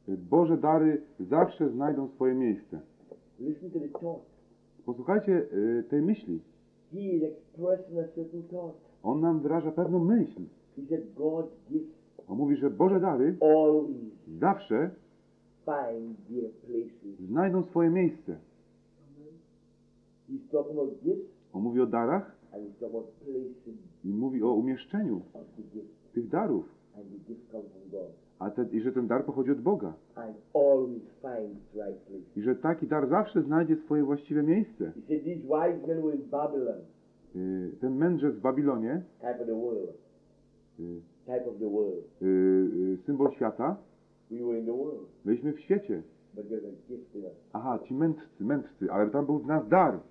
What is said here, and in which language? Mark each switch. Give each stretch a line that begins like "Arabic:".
Polish: Boże dary zawsze znajdą swoje miejsce.
English: Listen to the thought.
Polish: Posłuchajcie tej myśli.
English: He is expressing a certain thought.
Polish: On nam wyraża pewną myśl.
English: He said God gives.
Polish: On mówi, że Boże dary
English: always
Polish: zawsze
English: find their places.
Polish: Znajdą swoje miejsce.
English: He's talking about gifts.
Polish: On mówi o darach.
English: And he's talking about placing.
Polish: I mówi o umieszczeniu tych darów.
English: And the gift comes from God.
Polish: I że ten dar pochodzi od Boga.
English: I always find its right place.
Polish: I że taki dar zawsze znajdzie swoje właściwe miejsce.
English: He said these wise men were in Babylon.
Polish: Ten mędrzec w Babilonie.
English: Type of the world. Type of the world.
Polish: Symbol świata.
English: We were in the world.
Polish: Byliśmy w świecie.
English: But there's a gift in us.
Polish: Aha, ci mędrcy, ale tam był w nas dar.